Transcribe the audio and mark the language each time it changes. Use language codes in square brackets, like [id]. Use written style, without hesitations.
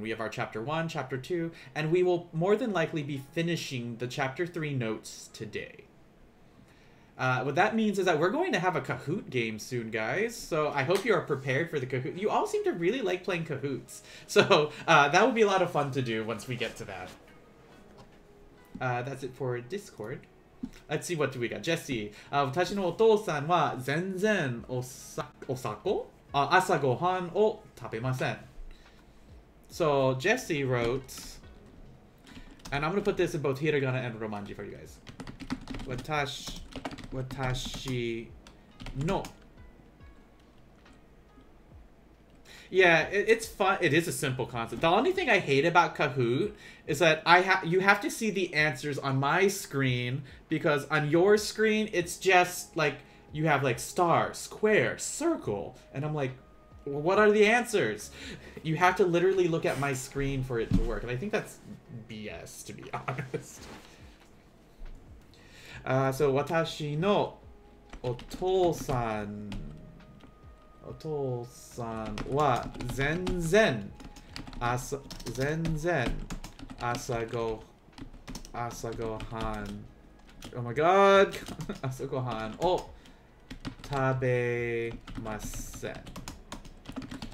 [en] We have our chapter 1, chapter 2, and we will more than likely be finishing the chapter 3 notes today. What that means is that we're going to have a Kahoot game soon, guys. So I hope you are prepared for the Kahoot. You all seem to really like playing Kahoots. So that will be a lot of fun to do once we get to that. That's it for Discord. Let's see, what do we got? [ja] Jesse, 私のお父さんは全然お酒、朝ごはんを食べません. [en] So Jesse wrote, and I'm going to put this in both hiragana and romanji for you guys. [ja] 私の [en] Yeah, it's fun. It is a simple concept. The only thing I hate about Kahoot is that you have to see the answers on my screen, because on your screen, it's just like you have like star, square, circle, and I'm like, well, what are the answers? You have to literally look at my screen for it to work, and I think that's BS, to be honest. [ja] So, 私のお父さん。お父さんは全然朝ごはん。 [en] Oh my god! [ja] 朝ごはんを食べません。